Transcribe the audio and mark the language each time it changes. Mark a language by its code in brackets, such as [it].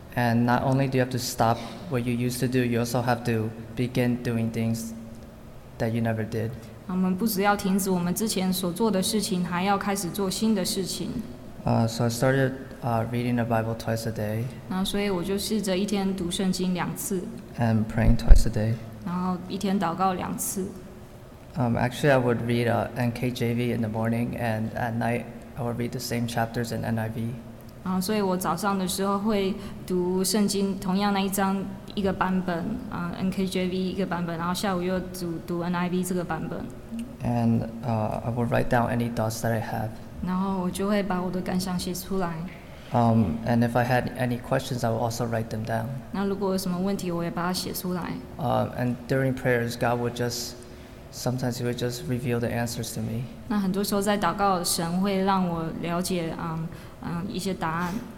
[en] And not only do you have to stop what you used to do, you also have to begin doing things that you never did. [zh] 我们不只要停止我们之前所做的事情，还要开始做新的事情。 [en] So I started reading the Bible twice a day. [zh] 所以我就试着一天读圣经两次。 [en] And praying twice a day. [zh] 然后一天祷告两次。 [en] Actually, I would read NKJV in the morning, and at night I would read the same chapters in NIV. [zh] 所以我早上的时候会读圣经同样那一章。一个版本NKJV 一个版本，然后下午又读 NIV 这个版本。 [en] And I will write down any thoughts that I have. [zh] 然后我就会把我的感想写出来。 [en] And if I had any questions, I will also write them down. [zh] 那如果有什么问题，我也把它写出来。 [en] And during prayers, God would just sometimes He would just reveal the answers to me. [zh] 那很多时候在祷告，神会让我了解一些答案。